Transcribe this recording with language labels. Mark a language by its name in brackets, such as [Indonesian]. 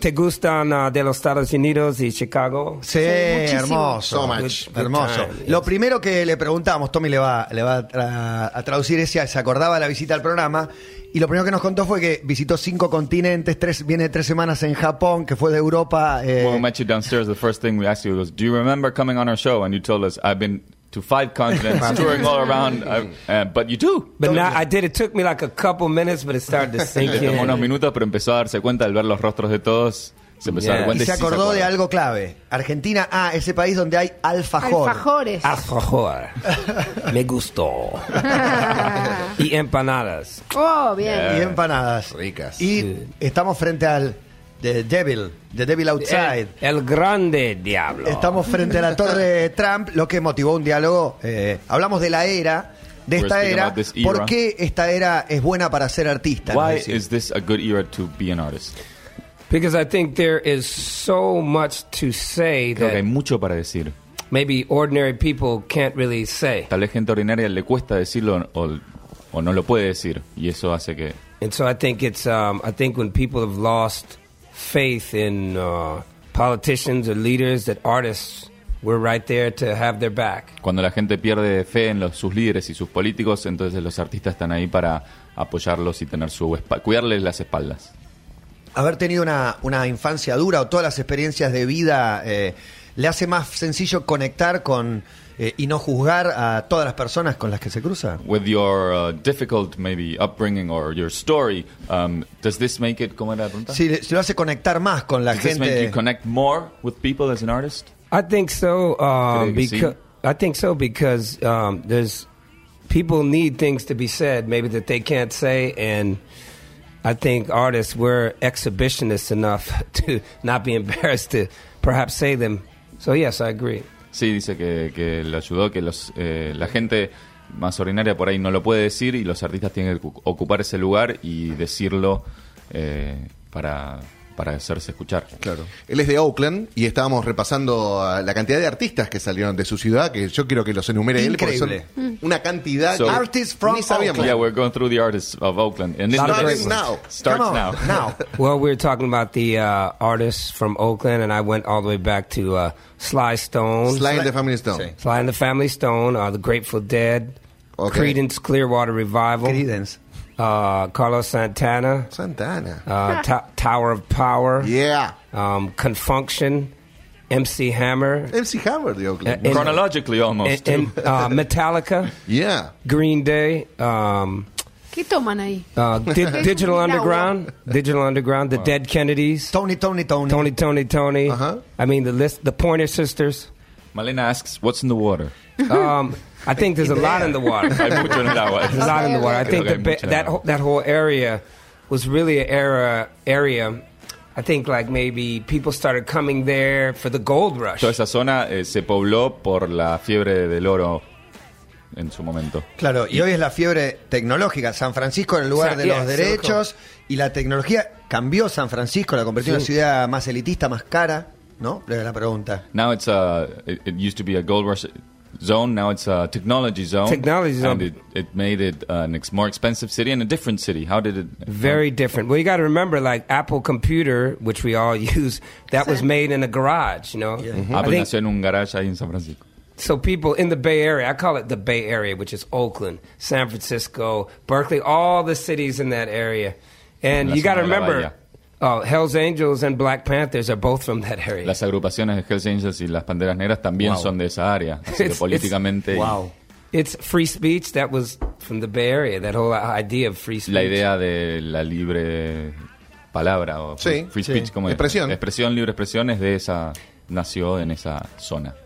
[Spanish] ¿Te gustan de los Estados Unidos y Chicago? Sí, hermoso. [English] So much. [Spanish] Lo primero que le preguntamos, Tommy le va a traducir, es si se acordaba la visita al programa. Y lo primero que nos contó fue que visitó 5 continentes, viene 3 semanas en Japón, que fue de Europa. [English] When we met you downstairs, the first thing we asked you was, do you remember coming on our show? And you told us, I've been to 5 continents, touring all around, but you do. But now, I did. It took me like a couple minutes, but it started to sink in. [Spanish] Unos minutos, pero empezó a darse cuenta al ver los rostros de todos. Se empezó a dar cuenta. Y se acordó de algo clave. Argentina, ese país donde hay alfajores. Alfajor. Me gustó. Y empanadas. Oh, bien. Yeah. Y empanadas. Ricas. Y estamos frente al The Devil Outside. El grande diablo. Estamos frente a la Torre de Trump, lo que motivó un diálogo. Hablamos de la era, de esta era. ¿Por qué esta era es buena para ser artista? [English] Why is this a good era to be an artist? Because I think there is so much to say. [Spanish] Creo que hay mucho para decir. [English] Maybe ordinary people can't really say. [Spanish] Tal vez gente ordinaria le cuesta decirlo o no lo puede decir. Y eso hace que... [English] And so I think it's... I think when people have lost... faith in politicians or leaders that artists were right there to have their back. [Spanish] Cuando la gente pierde fe en sus líderes y sus políticos, entonces los artistas están ahí para apoyarlos y tener cuidarles las espaldas. Haber tenido una infancia dura o todas las experiencias de vida le hace más sencillo conectar con y no juzgar a todas las personas con las que se cruza. [English] With your difficult maybe upbringing or your story, does this make it, [Spanish] ¿cómo era la pregunta? Sí, se lo hace conectar más con la gente. [English] Does this make you connect more with people as an artist? I think so. I think so because there's people need things to be said maybe that they can't say, and I think artists were exhibitionists enough to not be embarrassed to perhaps say them. So yes, I agree. [Spanish] Sí, dice que le ayudó, que la gente más ordinaria por ahí no lo puede decir y los artistas tienen que ocupar ese lugar y decirlo para hacerse escuchar. Claro. Él es de Oakland y estábamos repasando la cantidad de artistas que salieron de su ciudad, que yo quiero que los enumere. Increíble. Él, porque son una cantidad de [English] artistas from Oakland. Yeah, we're going through the artists of Oakland. And starts now. Starts now. Well, we're talking about the artists from Oakland and I went all the way back to Sly Stone. Sly and the Family Stone. Sí. Sly and the Family Stone, The Grateful Dead, okay. Creedence Clearwater Revival. Creedence. Carlos Santana. Santana. Tower of Power. Yeah. Confunction. MC Hammer. MC Hammer, the Oakland. Chronologically, almost. Metallica. Yeah. Green Day. [Spanish] ¿Qué toman ahí? [English] Digital Underground. Digital Underground. The Dead Kennedys. Tony. Uh-huh. I mean, the Pointer Sisters. Malena asks, what's in the water? I think there's a lot in the water. There's a lot in the water. I think that whole area was really an area. I think like maybe people started coming there for the gold rush. [Spanish] Toda esa zona se pobló por la fiebre del oro en su momento. Claro, y hoy es la fiebre tecnológica. San Francisco en el lugar de los derechos. Y la tecnología cambió San Francisco, la convirtió en una ciudad más elitista, más cara, ¿no? La pregunta. [English] Now it's it used to be a gold rush zone, now it's a technology zone. Technology zone. And it made it a more expensive city and a different city. How did it... Very different. Well, you got to remember, like, Apple Computer, which we all use, that was made in a garage, you know? Yeah. Mm-hmm. [Spanish] Apple nació en un garage ahí en San Francisco. [English] So people in the Bay Area, I call it the Bay Area, which is Oakland, San Francisco, Berkeley, all the cities in that area. And you got to remember, Hell's Angels and Black Panthers are both from that area. [Spanish] Las agrupaciones de Hell's Angels y las Panteras Negras también son de esa área. Así que políticamente... [English] It's free speech, that was from the Bay Area, that whole idea of free speech. [Spanish] La idea de la libre palabra o free speech como expresión. Expresión, libre expresión es de esa, nació en esa zona.